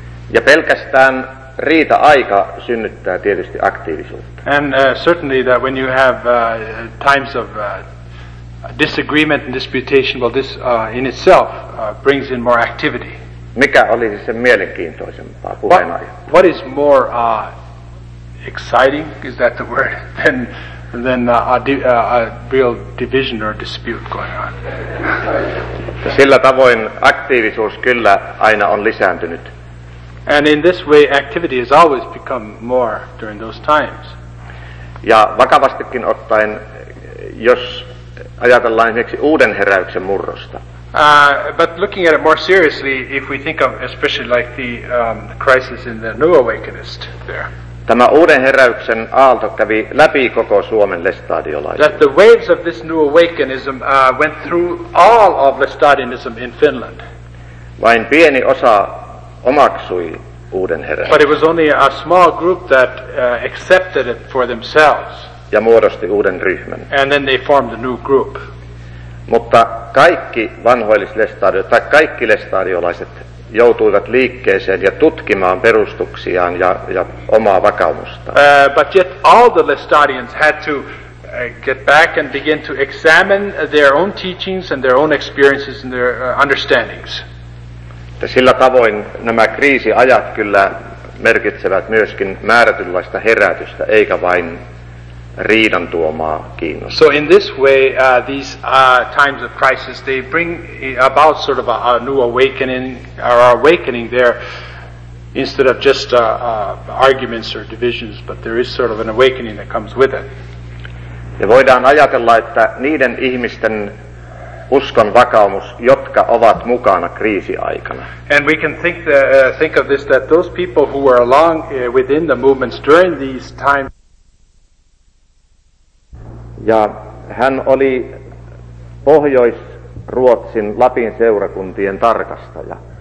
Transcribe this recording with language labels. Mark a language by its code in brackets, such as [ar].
[fi] Ja pelkästään riita-aika synnyttää tietysti aktiivisuutta. [en] And certainly that when you have times of disagreement and disputation, well, this in itself brings in more activity. [fi] Mikä olisi sen mielenkiintoisempaa puheenaihe? [en] What is more exciting, is that the word, than a real division or dispute going on? [fi] Sillä tavoin aktiivisuus kyllä aina on lisääntynyt. [en] And in this way activity has always become more during those times. [fi] Ja vakavastikin ottaen, jos ajatellaan esimerkiksi uuden heräyksen murrosta. [en] But looking at it more seriously, if we think of especially like the crisis in the New Awakenist there. [fi] Tämä uuden heräyksen aalto kävi läpi koko Suomen lestadiolaisuuden. [en] That the waves of this new awakenism went through all of lestadianism in Finland. [fi] Vain pieni osa omaksui uuden heräyksen. [en] But it was only a small group that accepted it for themselves. [fi] Ja muodosti uuden ryhmän. [en] And then they formed a new group. [fi] Mutta kaikki vanhoillislestadiolaiset, tai kaikki lestadiolaiset, joutuivat liikkeeseen ja tutkimaan perustuksiaan ja omaa vakaumusta. [en] But yet all the Lestadians had to get back and begin to examine their own teachings and their own experiences and their understandings. [fi] Ja sillä tavoin nämä kriisiajat kyllä merkitsevät myöskin määrätynlaista herätystä, eikä vain riidan tuomaa kiinnostaa. [en] So in this way, these times of crisis, they bring about sort of a new awakening, or awakening there, instead of just arguments or divisions, but there is sort of an awakening that comes with it. [fi] Ja voidaan ajatella, että niiden ihmisten uskon vakaumus, jotka ovat mukana kriisiaikana. [en] And we can think of this, that those people who were along within the movements during these times. [fi] Ja hän oli Pohjois-Ruotsin Lapin seurakuntien tarkastaja.